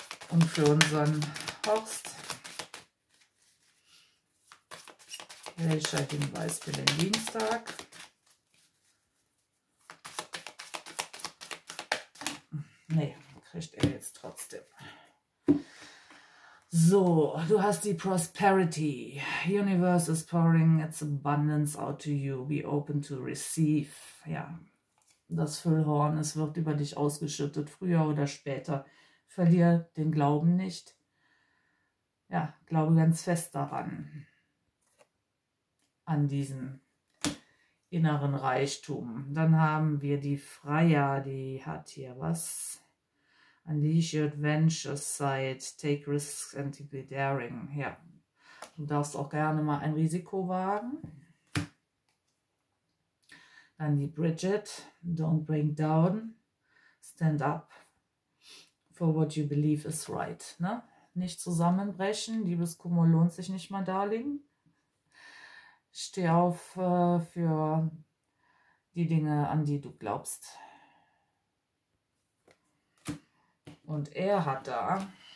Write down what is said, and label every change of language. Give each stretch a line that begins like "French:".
German: Und für unseren Horst. Welcher Hinweis für den Dienstag? Nee, kriegt er jetzt trotzdem. So, du hast die Prosperity.
English: Universe is pouring its abundance out to you. Be open to receive.
German: Ja, das Füllhorn, es wird über dich ausgeschüttet, früher oder später. Verlier den Glauben nicht. Ja, glaube ganz fest daran, an diesen inneren Reichtum. Dann haben wir die Freier, die hat hier was.
English: Unleash your adventurous side, take risks and be daring.
German: Ja, du darfst auch gerne mal ein Risiko wagen. Dann die Bridget,
English: don't break down, stand up for what you believe is right.
German: Ne? Nicht zusammenbrechen, Liebeskummer lohnt sich nicht mal, Darling. Steh auf für die Dinge, an die du glaubst. Und er hat da